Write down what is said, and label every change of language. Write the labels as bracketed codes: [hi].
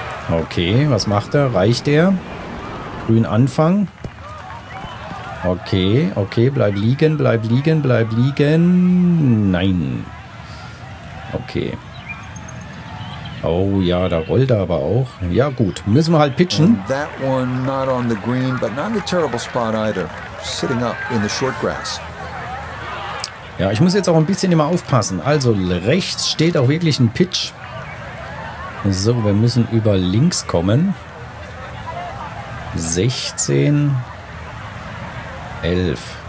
[de] Okay, was macht er? Reicht er? Grün anfangen. Okay, okay, bleib liegen, bleib liegen, bleib liegen. Nein. Okay. Oh ja, da rollt er aber auch. Ja gut, müssen wir halt pitchen. [en] That one not on the green, but not in a terrible spot either. Sitting up in the short grass. [de] Ja, ich muss jetzt auch ein bisschen immer aufpassen. Also rechts steht auch wirklich ein Pitch. So, wir müssen über links kommen. 16, 11.